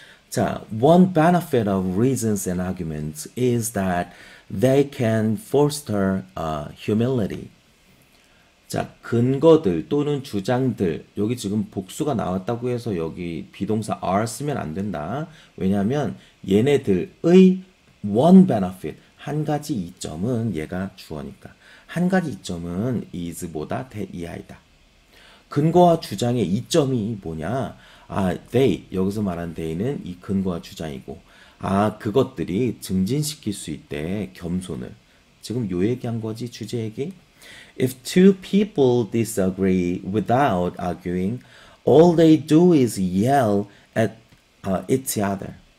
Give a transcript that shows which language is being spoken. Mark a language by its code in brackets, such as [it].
[en] 자, one benefit of reasons and arguments is that they can foster humility. [ko] 자, 근거들 또는 주장들, 여기 지금 복수가 나왔다고 해서 여기 비동사 are 쓰면 안 된다. 왜냐하면 얘네들의 one benefit, 한 가지 이점은 얘가 주어니까. 한 가지 이점은 is보다 대 이하이다. 근거와 주장의 이점이 뭐냐? 아, they, 여기서 말한 they는 이 근거와 주장이고, 아, 그것들이 증진시킬 수 있대, 겸손을. 지금 요 얘기한 거지, 주제 얘기? [en] If two people disagree without arguing, all they do is yell at each other.